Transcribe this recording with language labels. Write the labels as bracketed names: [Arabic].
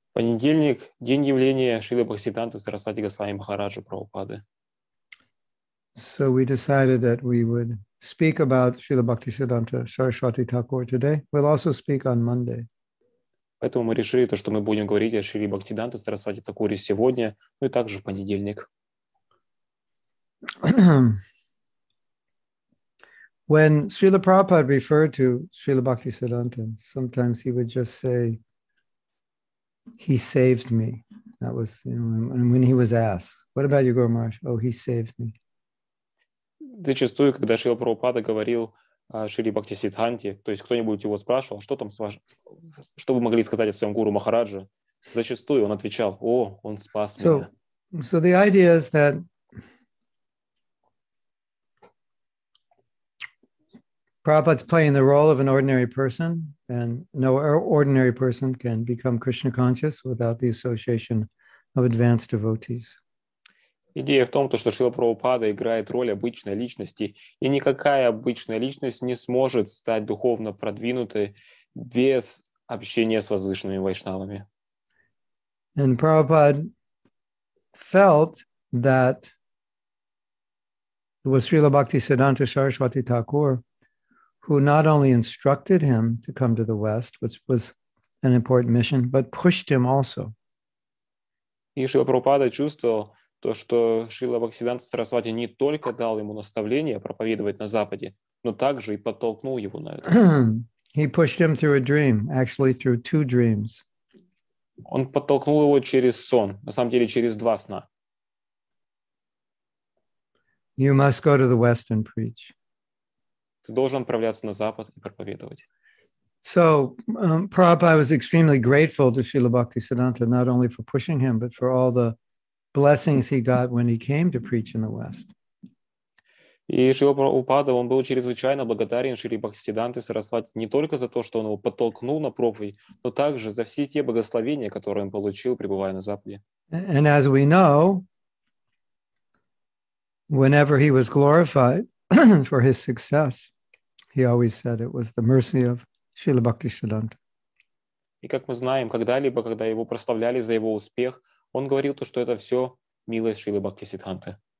[Russian] Понедельник, день явления Шрилы Бхактисиддханты Сарасвати Госвами Махараджа Прабхупады. [English] So we decided that we would speak about Srila Bhaktisiddhanta Saraswati Thakur today. We'll also speak on Monday. [Russian] Поэтому мы решили то, что мы будем говорить о Шриле Бхактисиддханте Сарасвати Такуре сегодня, ну и также в понедельник. [English] When Srila Prabhupada referred to Srila Bhaktisiddhanta, sometimes he would just say, he saved me. That was, you know, and when he was asked, what about your Guru Maharaj? Oh, he saved me. [Russian] Зачастую, когда Шрила Прабхупада говорил о Шриле Бхактисиддханте, то есть кто-нибудь его спрашивал, что там с вашим, что вы могли сказать о своем Гуру Махараджа, зачастую он отвечал, о, он спас меня. [English] So the idea is that Prabhupada's playing the role of an ordinary person, and no ordinary person can become Krishna conscious without the association of advanced devotees. [Russian] Идея в том, то, что Шрила Прабхупада играет роль обычной личности, и никакая обычная личность не сможет стать духовно продвинутой без общения с возвышенными вайшнавами. [English] And Prabhupada felt that it was Srila Bhaktisiddhanta Saraswati Thakur who not only instructed him to come to the West, which was an important mission, but pushed him also. [Russian] И Шрила Прабхупада чувствовал то, что Шрила Бхактисиддханта Сарасвати не только дал ему наставление проповедовать на Западе, но также и подтолкнул его на это. [English] He pushed him through a dream, actually through two dreams. [Russian] Он подтолкнул его через сон, на самом деле через два сна. [English] You must go to the West and preach. [Russian] Ты должен отправляться на Запад и проповедовать. [English] So, Prabhupada was extremely grateful to Srila Bhaktisiddhanta not only for pushing him, but for all the blessings he got when he came to preach in the West. [Russian] И Шрила Прабхупада, он был чрезвычайно благодарен Шриле Бхактисиддханте Сарасвати не только за то, что он его подтолкнул на проповедь, но также за все те благословения, которые он получил, пребывая на Западе. [English] And as we know, whenever he was glorified for his success, he always said it was the mercy of Srila Bhaktisiddhanta. [Russian] И как мы знаем, когда-либо, когда его прославляли за его успех, он говорил то, что это все милость Шрилы Бхактисиддханты.